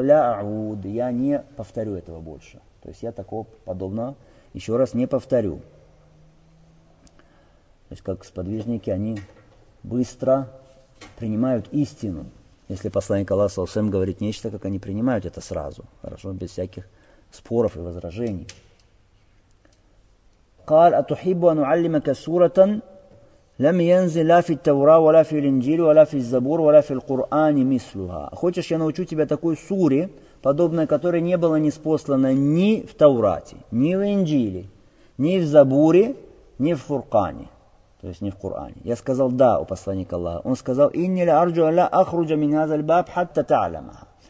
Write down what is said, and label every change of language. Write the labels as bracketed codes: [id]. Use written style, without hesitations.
[ru] «Ля ауд» – я не повторю этого больше. То есть я такого подобного еще раз не повторю. То есть как сподвижники, они быстро принимают истину. Если посланник Аллаха саллаллаху алейхи ва саллям говорит нечто, как они принимают это сразу, хорошо, без всяких споров и возражений. [ar] قال اتحب ان اعلمك سوره لم ينزل لا في التوراة ولا في الانجيل ولا في الزبور ولا في القران مثلها. [ru] Хочешь, я научу тебя такой суре, подобной которой не было ниспослано ни в Таурате, ни в Инджиле, ни в Забуре, ни в Фуркане. То есть не в Коране. Я сказал «да» у посланника Аллаха. Он сказал «Инни ля арджу аля ахруджа мин хазаль баб хатта та'ляма».